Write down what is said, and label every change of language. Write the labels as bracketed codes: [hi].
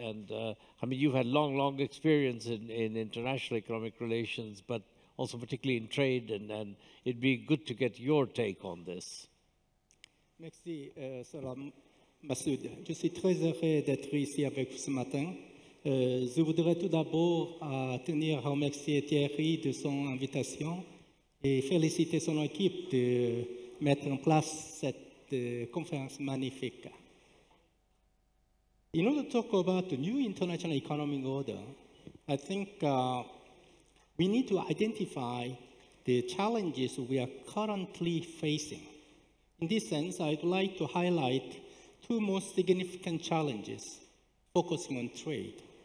[en] And I mean, you've had long experience in international economic relations, but also particularly in trade, and it'd be good to get your take on this. [fr] Merci, Salam Massoud. Je suis très heureux d'être ici avec vous ce matin. Je voudrais tout d'abord tenir à remercier Thierry de son invitation et féliciter son équipe de mettre en place cette conférence magnifique. [en] In order to talk about the new international economic order, I think we need to identify the challenges we are currently facing. In this sense, I'd like to highlight two most significant challenges focusing on trade.